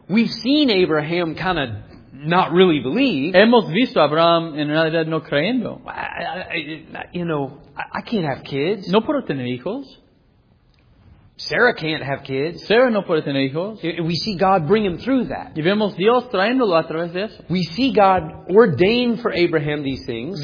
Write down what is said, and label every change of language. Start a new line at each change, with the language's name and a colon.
English: We've seen Abraham kind of not really believe.
Spanish: Hemos visto a Abraham en realidad no creyendo.
English: I can't have kids.
Spanish: No puedo tener hijos.
English: Sarah can't have kids.
Spanish: Sarah no puede tener hijos.
English: We see God bring him through that.
Spanish: Y vemos Dios trayéndolo a través de eso.
English: We see God ordain for Abraham these things.